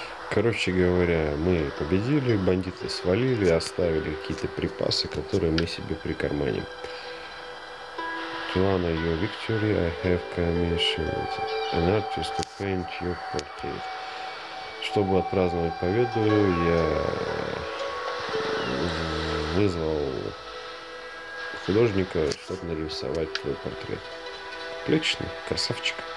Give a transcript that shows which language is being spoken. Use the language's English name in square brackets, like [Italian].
[Russian] Короче говоря, мы победили, бандиты свалили, оставили какие-то припасы, которые мы себе прикарманим. [English] To honor your victory, I have commissioned an artist to paint your portrait. [Russian] чтобы отпраздновать победу, я вызвал художника, чтобы нарисовать твой портрет. Отлично, красавчик.